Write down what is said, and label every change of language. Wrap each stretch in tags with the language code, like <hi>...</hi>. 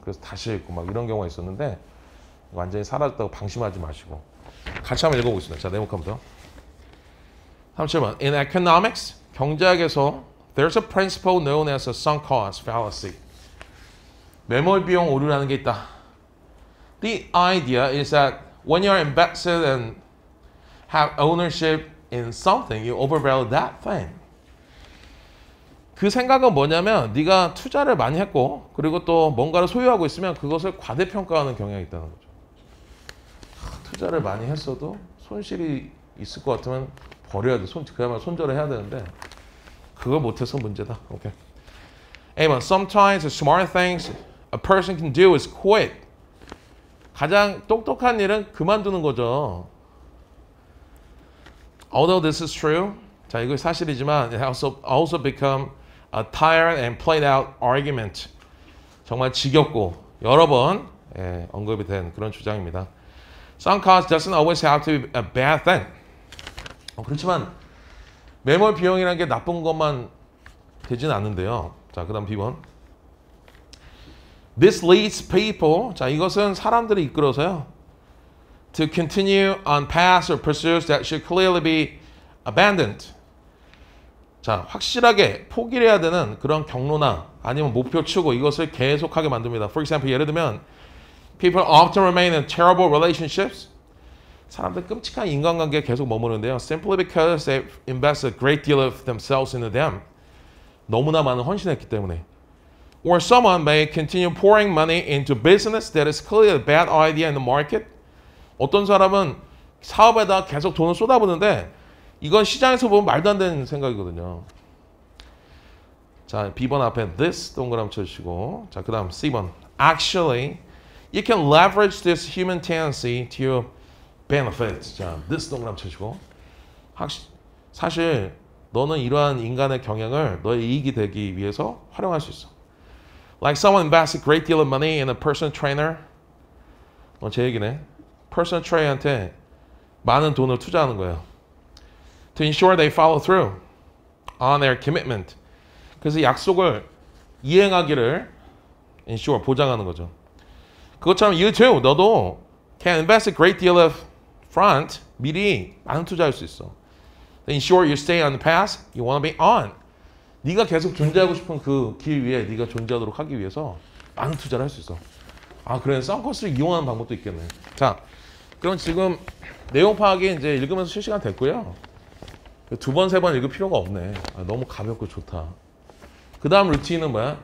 <ko>그래서 다시 읽고 막 이런 경우가 있었는데 완전히 사라졌다고 방심하지 마시고 같이 한번 읽어보겠습니다. 자, 네모 컴퓨터. 37번.</ko> <en>In economics,</en> <ko>경제학에서</ko> <en>there's a principle known as a sunk cost fallacy.</en> <ko>매몰비용 오류라는 게 있다.</ko> <en>The idea is that when you're invested and have ownership in something, you overvalue that thing.</en> <ko>그 생각은 뭐냐면 네가 투자를 많이 했고 그리고 또 뭔가를 소유하고 있으면 그것을 과대평가하는 경향이 있다는 거죠. 투자를 많이 했어도 손실이 있을 것 같으면 버려야 돼. 그야말로 손절을 해야 되는데 그걸 못해서 문제다. 오케이. A번.</ko> <en>Sometimes the smart things a person can do is quit.</en> <ko>가장 똑똑한 일은 그만두는 거죠.</ko> <en>Although this is true,</en> <ko>자 이거 사실이지만</ko> <en>it also become a tired and played out argument.</en> <ko>정말 지겹고 여러 번 예, 언급이 된 그런 주장입니다.</ko> <en>Sunk cost doesn't always have to be a bad thing.</en> <ko>그렇지만 매몰 비용이라는 게 나쁜 것만 되지는 않는데요. 자, 그다음 B번.</ko> <en>This leads people,</en> <ko>자, 이것은 사람들을 이끌어서요.</ko> <en>To continue on paths or pursuits that should clearly be abandoned.</en> <ko>자, 확실하게 포기를 해야 되는 그런 경로나 아니면 목표 추구 이것을 계속하게 만듭니다.</ko> <en>For example,</en> <ko>예를 들면</ko> <en>People often remain in terrible relationships.</en> <ko>사람들 끔찍한 인간관계에 계속 머무르는데요.</ko> <en>Simply because they invest a great deal of themselves into them.</en> <ko>너무나 많은 헌신했기 때문에.</ko> <en>Or someone may continue pouring money into business that is clearly a bad idea in the market.</en> <ko>어떤 사람은 사업에다 계속 돈을 쏟아부는데 이건 시장에서 보면 말도 안 되는 생각이거든요. 자, B번 앞에 this 동그라미 쳐주시고 자, 그 다음 C번.</ko> <en>Actually, You can leverage this human tendency to your benefit.</en> <ko>자, this 동그라미 쳐주고 사실 너는 이러한 인간의 경향을 너의 이익이 되기 위해서 활용할 수 있어.</ko> <en>Like someone invests a great deal of money in a personal trainer.</en> <ko>어, 제 얘기네. Personal trainer한테 많은 돈을 투자하는 거야.</ko> <en>To ensure they follow through on their commitment.</en> <ko>그래서 약속을 이행하기를 ensure, 보장하는 거죠. 그것처럼</ko> <en>you too,</en> <ko>너도</ko> <en>can invest a great deal of front,</en> <ko>미리 많은 투자할 수 있어.</ko> <en>In short, you stay on the path, you want to be on.</en> <ko>네가 계속 존재하고 싶은 그 길 위에 네가 존재하도록 하기 위해서 많은 투자를 할 수 있어. 아, 그래, 썬커스를 이용하는 방법도 있겠네. 자, 그럼 지금 내용 파악이 이제 읽으면서 실시간 됐고요. 두 번, 세 번 읽을 필요가 없네. 아, 너무 가볍고 좋다. 그 다음 루틴은 뭐야?</ko>